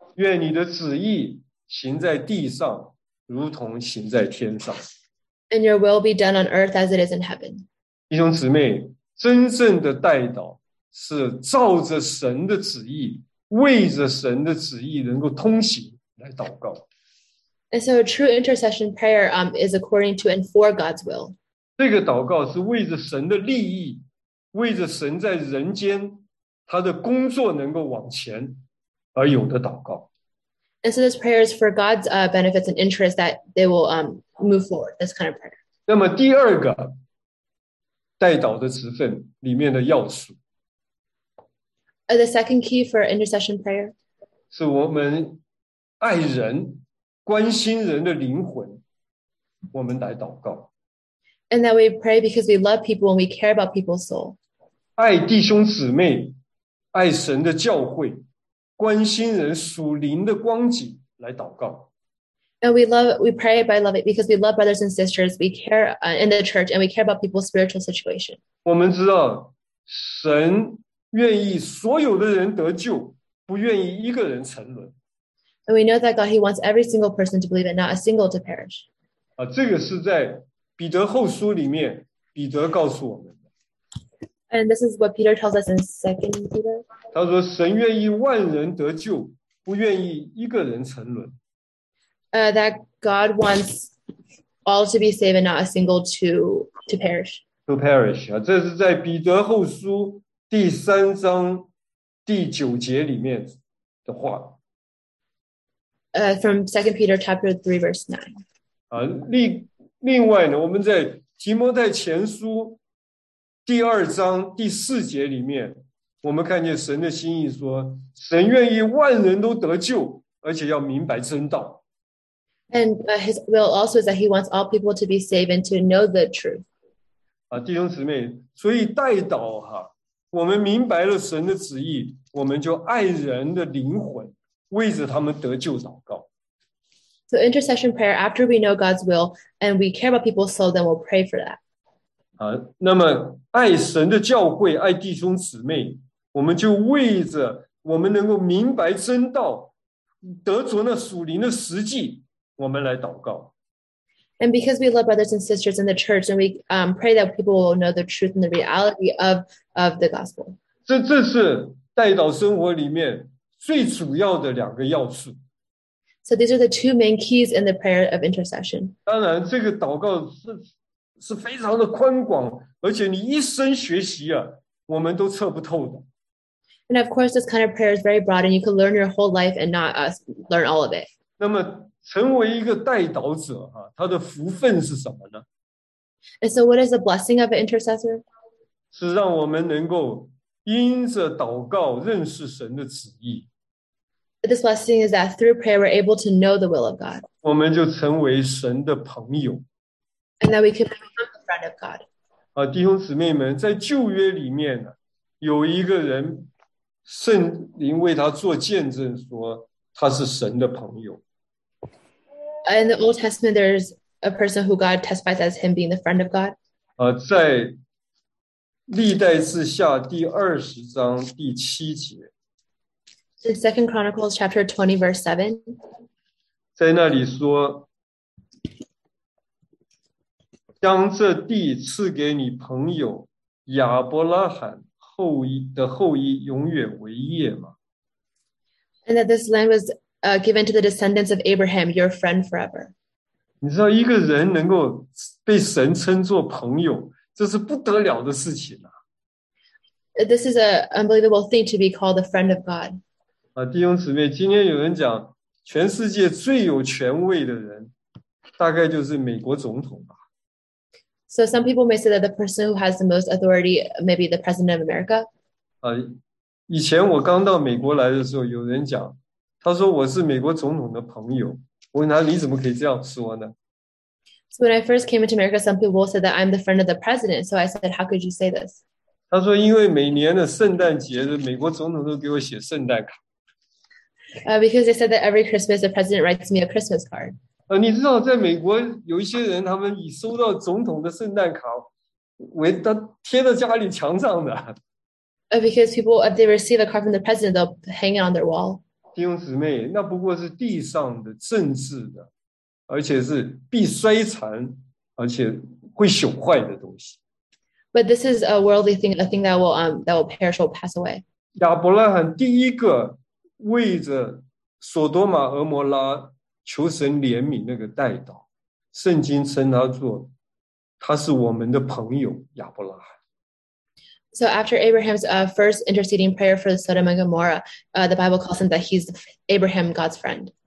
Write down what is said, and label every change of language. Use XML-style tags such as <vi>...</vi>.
<zh>愿你的旨意行在地上，如同行在天上。</zh> <en>And your will be done on earth as it is in heaven.</en> <zh>弟兄姊妹，真正的代祷是照着神的旨意，为着神的旨意能够通行来祷告。</zh> <en>And so a true intercession prayer is according to and for God's will.</en> <zh>这个祷告是为着神的利益，为着神在人间他的工作能够往前而有的祷告。</zh> <en>And so this prayer is for God's benefits and interest that they will move forward, this kind of prayer.</en> <zh>那么第二个代祷的职分里面的要素。</zh> <en>The second key for intercession prayer.</en> <zh>是我们爱人关心人的灵魂我们来祷告。</zh> <en>And that we pray because we love people and we care about people's soul.</en> <zh>爱弟兄姊妹爱神的教会关心人属灵的光景来祷告。</zh> <en>And we pray by loving because we love brothers and sisters, we care in the church and we care about people's spiritual situation.</en> <zh>我们知道神愿意所有的人得救不愿意一个人沉沦。</zh> <en>And we know that God, he wants every single person to believe and not a single to perish.</en> <zh>这个是在彼得后书里面彼得告诉我们。</zh> <en>And this is what Peter tells us in 2 Peter.</en> <zh>他说神愿意万人得救不愿意一个人沉沦。</zh> <en>That God wants all to be saved and not a single to perish. To perish.</en> <zh>这是在彼得后书第三章第九节里面的话。</zh> <en>From 2 Peter chapter 3 verse 9.</en> <zh>另外呢我们在提摩太前书第二章第四节里面我们看见神的心意说神愿意万人都得救而且要明白真道。</zh> <en>And his will also is that he wants all people to be saved and to know the truth.</en> <zh>弟兄姊妹所以代祷哈我们明白了神的旨意我们就爱人的灵魂为着他们得救祷告。</zh> <en>So intercession prayer, after we know God's will and we care about people's soul, then we'll pray for that.</en> <zh>那么爱神的教会爱弟兄姊妹我们就为着我们能够明白真道得着那属灵的实际我们来祷告。</zh> <en>And because we love brothers and sisters in the church, and we pray that people will know the truth and the reality of the gospel.</en> <zh>这是代祷生活里面最主要的两个要素。</zh> <en>So these are the two main keys in the prayer of intercession.</en> <zh>当然这个祷告是非常的宽广而且你一生学习啊我们都测不透的。</zh> <en>And of course, this kind of prayer is very broad and you can learn your whole life and not learn all of it.</en> <zh>那么成为一个代祷者他的福分是什么呢</zh> <en>And so what is the blessing of an intercessor?</en> <zh>是让我们能够因着祷告认识神的旨意。</zh> <en>This blessing is that through prayer we're able to know the will of God.</en> <zh>我们就成为神的朋友。</zh> <en>And that we can become a friend of God.</en> <zh>弟兄姊妹们在旧约里面有一个人圣灵为他做见证说他是神的朋友。</zh> <en>In the Old Testament, there's a person who God testifies as him being the friend of God.</en> <zh>在历代志下第二十章第七节。</zh> <en>In 2 Chronicles chapter 20 verse 7.</en> <zh>在那里说将这地赐给你朋友亚伯拉罕后裔永远为业吗</zh> <en>And that this land was given to the descendants of Abraham, your friend forever.</en> <zh>你知道一个人能够被神称作朋友这是不得了的事情啊。</zh> <en>This is an unbelievable thing to be called a friend of God.</en> <zh>弟兄姊妹今天有人讲全世界最有权威的人大概就是美国总统吧。</zh> <en>So some people may say that the person who has the most authority may be the president of America.</en> <zh>以前我刚到美国来的时候有人讲，他说我是美国总统的朋友，我问他你怎么可以这样说呢？</zh> <en>So when I first came into America, some people said that I'm the friend of the president. So I said, how could you say this?</en> <zh>他说因为每年的圣诞节美国总统都给我写圣诞卡。</zh> <en>Because they said that every Christmas, the president writes me a Christmas card.</en> <zh>你知道在美国有一些人他们以收到总统的圣诞卡为他贴在家里墙上的。</zh> <en>Because people, if they receive a card from the president, they'll hang it on their wall.</en> <zh>弟兄姊妹，那不过是地上的政治的。而且是必衰残，而且会朽坏的东西。</zh> <en>But this is a worldly thing, a thing that will perish or pass away.</en> <zh>亚伯拉罕第一个为着索多玛、俄摩拉求神怜悯那个代祷，圣经称他做他是我们的朋友亚伯拉罕。</zh> <en>So after Abraham's first interceding prayer for Sodom and Gomorrah, the Bible calls him that he's Abraham, God's friend.</en>